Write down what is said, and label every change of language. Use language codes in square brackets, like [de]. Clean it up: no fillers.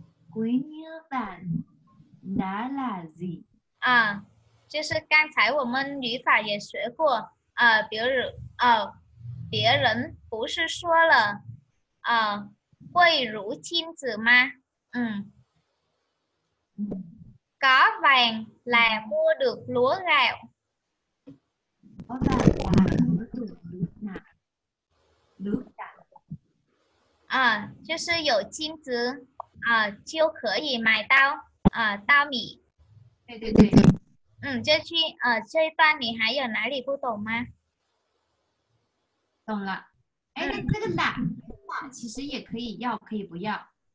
[vi] quý như vàng đã là gì？ [zh] 就是刚才我们语法也学过，比如别人不是说了，贵如亲子吗？ [vi] 嗯，có vàng là mua được lúa gạo. Có vàng là mua được lúa gạo. [zh] À, 就是有金子啊，就可以买到啊稻米。对对对对。嗯，这一段你还有哪里不懂吗？懂了。哎，那这个懒其实也可以要，可以不要。